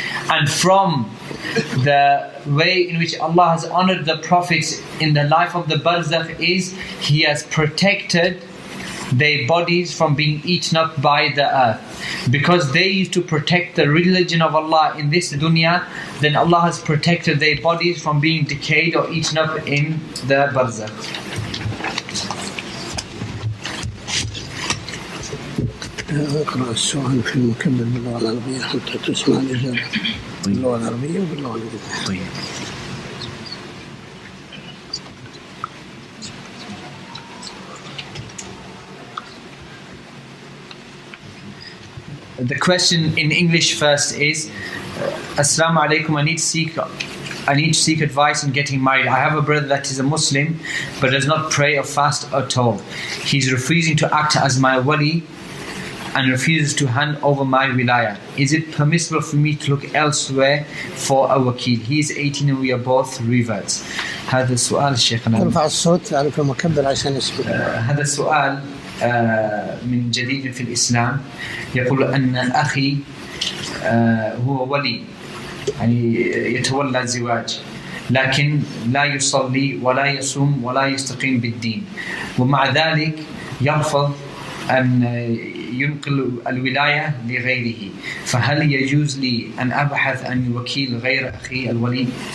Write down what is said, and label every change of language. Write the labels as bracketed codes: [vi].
[en] And from the way in which Allah has honored the prophets in the life of the barzakh is he has protected their bodies from being eaten up by the earth. Because they used to protect the religion of Allah in this dunya, then Allah has protected their bodies from being decayed or eaten up in the barzakh. [ar] أقرأ السؤال في المكمل باللغة العربية حتى تسمع الإجابة باللغة العربية وباللغة الإنجليزية. [en] The question in English first is, Assalamu alaikum, I need to seek advice on getting married. I have a brother that is a Muslim but does not pray or fast at all. He's refusing to act as my wali and refuses to hand over my wilayah. Is it permissible for me to look elsewhere for a wakil? He is 18 and we are both reverts. [ar] هذا السؤال شيخنا. ارفع الصوت لانك مكبر عشان يسمع. هذا السؤال من جديد في الإسلام. يقول أن أخي هو ولي يعني يتولى الزواج لكن لا يصلي ولا يصوم ولا يستقيم بالدين ومع ذلك يرفض أن ينقل الولاية لغيره فهل يجوز لي أن أبحث عن وكيل غير أخي الولي؟